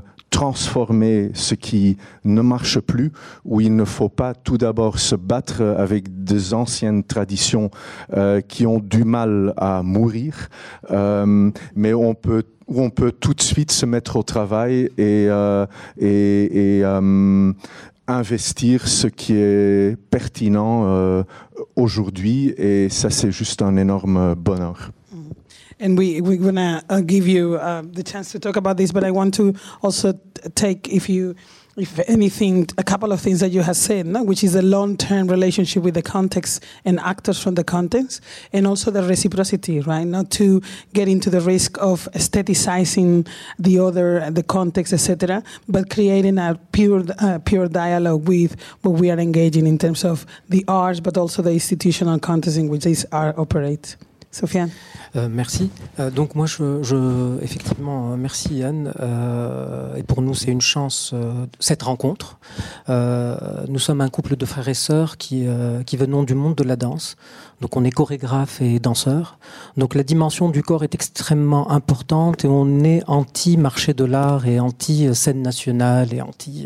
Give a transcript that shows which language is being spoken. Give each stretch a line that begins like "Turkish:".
French: transformer ce qui ne marche plus, où il ne faut pas tout d'abord se battre avec des anciennes traditions qui ont du mal à mourir, mais on peut tout de suite se mettre au travail et investir ce qui est pertinent aujourd'hui, et ça c'est juste un énorme bonheur.
English: And we're going to give you the chance to talk about this, but I want to also take, if anything, a couple of things that you have said, no? Which is a long-term relationship with the context and actors from the context, and also the reciprocity, right? Not to get into the risk of aestheticizing the other, the context, etc., but creating a pure dialogue with what we are engaging in terms of the arts, but also the institutional context in which these arts operate. Sofiane.
French: Merci. Donc moi, je effectivement, merci Yann. Et pour nous, c'est une chance, cette rencontre. Nous sommes un couple de frères et sœurs qui venons du monde de la danse. Donc on est chorégraphe et danseur. Donc la dimension du corps est extrêmement importante et on est anti-marché de l'art et anti-scène nationale et anti...